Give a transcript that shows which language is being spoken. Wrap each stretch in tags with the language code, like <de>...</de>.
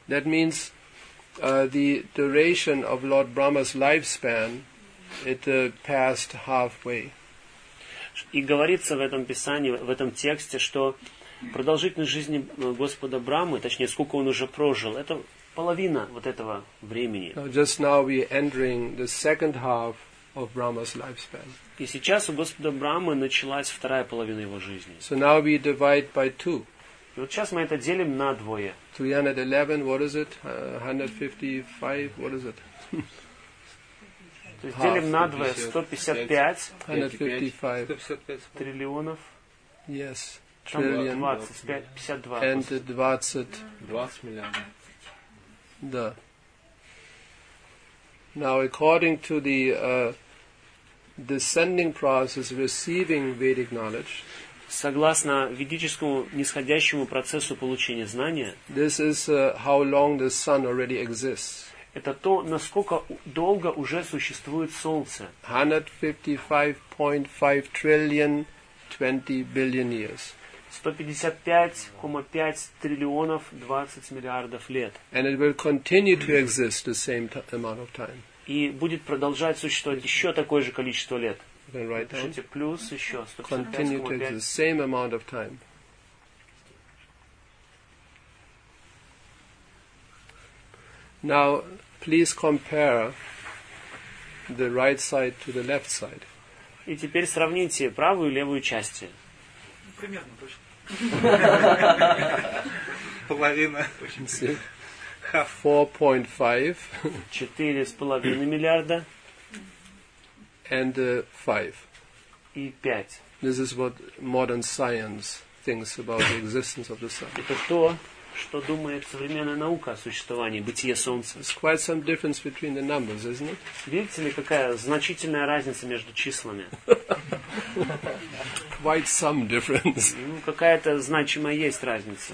<en>That means the duration of Lord Brahma's lifespan, it passed halfway.</en> <ru>И говорится в этом писании, в этом тексте, что продолжительность жизни Господа Брамы, точнее, сколько он уже прожил, это половина вот этого времени.</ru> <en>So just now we're entering the second half of Brahma's lifespan.</en> <ru>И сейчас у Господа Брамы началась вторая половина его жизни.</ru> <en>So now we divide by two.</en> <ru>И вот сейчас мы это делим на двое.</ru> <en>311, what is it? 155, what is it?</en> <ru>То есть делим на двое, 155. 155. Триллионов.</ru> <en>Yes. Trillion.</en> <ru>Там 20, 52.</ru> <en>And 20.</en> <ru>20 миллиардов. Да.</ru> <en>Now, according to the descending process, receiving Vedic knowledge,</en> <ru>согласно ведическому нисходящему процессу получения знания,</ru> <en>this is how long the sun already exists.</en> <ru>Это то, насколько долго уже существует Солнце.</ru> <en>155.5 trillion 20 billion years.</en> <ru>155,5 триллионов 20 миллиардов лет.</ru> <en>And it will continue to exist the same amount of time.</en> <ru>И будет продолжать существовать еще такое же количество лет.</ru> <en>Then write down.</en> <ru>Пишите плюс еще.</ru> <en>Continue to exist the same amount of time. Now, please compare the right side to the left side.</en> <ru>И теперь сравните правую и левую части. Примерно точно. Половина. 4.5. 4.5 миллиарда.</ru> <en>And 5.</en> <ru>И 5.</ru> <en>This is what modern science thinks about the existence of the sun.</en> <ru>Это то, что думает современная наука о существовании бытия Солнца.</ru> <en>There's quite some difference between the numbers, isn't it?</en> <ru>Видите ли, какая значительная разница между числами?</ru> <en>Quite some difference.</en> <ru>Ну, какая-то значимая есть разница.</ru>